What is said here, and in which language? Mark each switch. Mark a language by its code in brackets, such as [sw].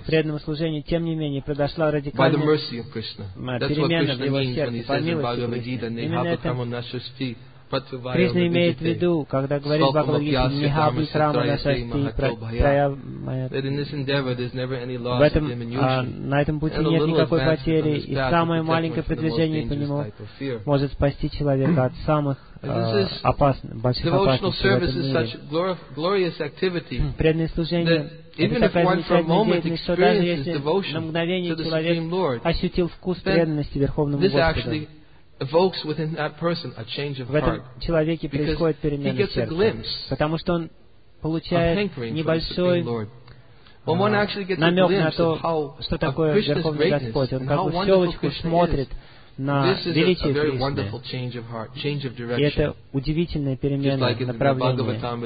[ru] В преданном служении, тем не менее, произошла радикальная перемена в его сердце. [en] That's what Krishna means when he says in Bhagavad Gita, [sa] "Nihabhakamo nashasti pratvaya." [ru] Krishna имеет в виду, когда говорит в Бхагавад Гите, [sa] "Nihabhakamo nashasti pratvaya." [en] That in this endeavor there's never any loss or diminution. [ru] На этом пути нет никакой потери, и самое маленькое продвижение по нему может спасти человека от самых опасных, больших опасностей в этом мире. Преданное служение — это такая замечательная деятельность, что даже если на мгновение человек ощутил вкус преданности Верховному Господу, [en] evokes within that person a change of heart. [ru] В этом человеке происходит перемена в сердце, потому что он получает небольшой намек на то, что такое Верховный Господь. Он как бы щелочку смотрит на величие Кришны. И это удивительная перемена направления.